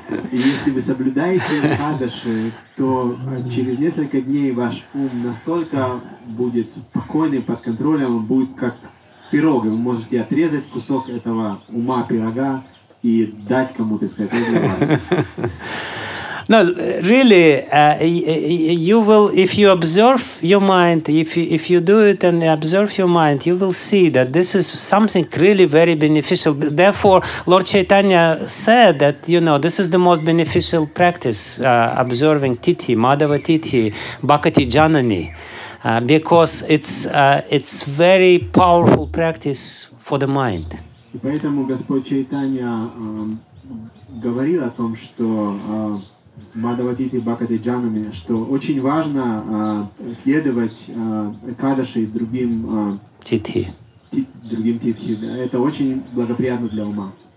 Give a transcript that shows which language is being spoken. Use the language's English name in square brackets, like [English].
[Russian] Если вы соблюдаете Экадаши, то через несколько дней ваш ум настолько будет спокойный, под контролем, он будет как пирог. Вы можете отрезать кусок этого ума пирога и дать кому-то, сказать, это для вас. [English] No, really, you will, if you observe your mind, if you do it and observe your mind, you will see that this is something really very beneficial. Therefore, Lord Chaitanya said that, you know, this is the most beneficial practice, observing Tithi, Madhava Tithi, Bhakti Janani, because it's very powerful practice for the mind. [Russian] Поэтому Господь Чайтанья говорил о том, что Мадхавадити Бхакати Джанами, что очень важно следовать Экадаши и другим Титхи. Это очень благоприятно для ума.